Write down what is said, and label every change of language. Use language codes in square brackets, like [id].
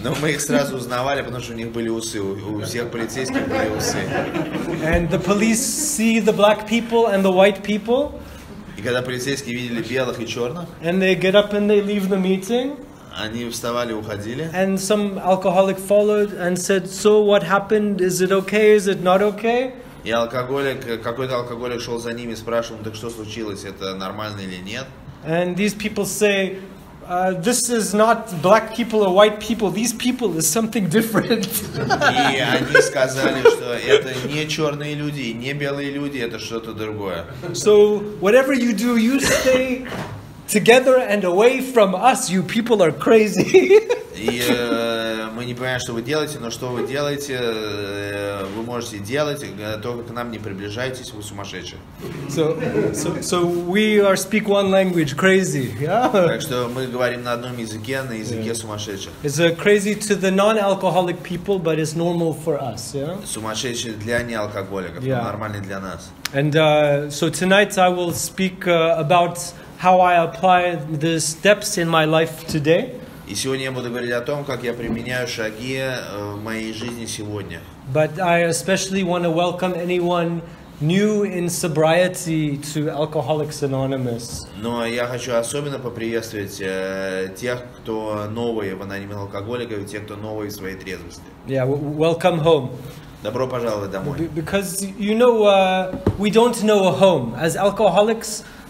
[ru] Но мы их сразу узнавали, потому что у них были усы. У всех полицейских были усы. [en] And the police see the black people and the white people. [ru] И когда полицейские видели белых и черных. [en] And they get up and they leave the meeting. [ru] Они вставали, уходили. [en] And some alcoholic followed and said, "So what happened? Is it okay? Is it not okay?" [ru] И какой-то алкоголик шел за ними, спрашивал, так что случилось, это нормально или нет? [en] And these people say, This is not black people or white people. These people is something different. [ru] И они сказали, что это не черные люди, не белые люди, это что-то другое. [en] So whatever you do, you stay together and away from us. You people are crazy. [ru] И мы не понимаем, что вы делаете, но что вы делаете, вы можете делать, только к нам не приближайтесь, вы сумасшедшие. [en] So we are speak one language, crazy, yeah? [ru] Так что мы говорим на одном языке, на языке сумасшедших. [en] It's crazy to the non-alcoholic people, but it's normal for us, yeah? [ru] Сумасшедшие для неалкоголиков, yeah. Но нормальные для нас. [en] And so tonight I will speak about how I apply the steps in my life today. [ru] И сегодня я буду говорить о том, как я применяю шаги в моей жизни сегодня. [en] But I especially want to welcome anyone new in sobriety to Alcoholics Anonymous. [ru] Но я хочу особенно поприветствовать тех, кто новые в анонимных алкоголиках, и тех, кто новые в своей трезвости. [en] Yeah, welcome home. [ru] Добро пожаловать домой. [en] Because you know, we don't know a home as alcoholics.